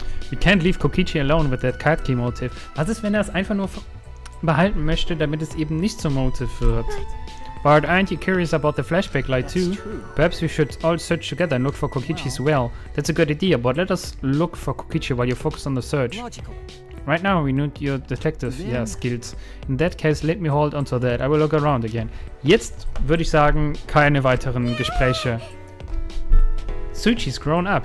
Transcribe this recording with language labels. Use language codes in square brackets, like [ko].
[en] We can't leave Kokichi alone with that card key motive. [de] Was ist, wenn es einfach nur behalten möchte, damit es eben nicht zum Motive wird? [en] But aren't you curious about the flashback light too? True. Perhaps we should all search together and look for Kokichi's well. That's a good idea, but let us look for Kokichi while you focus on the search. Logical. Right now we need your detective skills. In that case, let me hold onto that. I will look around again. [de] Jetzt würde ich sagen, keine weiteren Gespräche. [en] Tsuchi's grown up.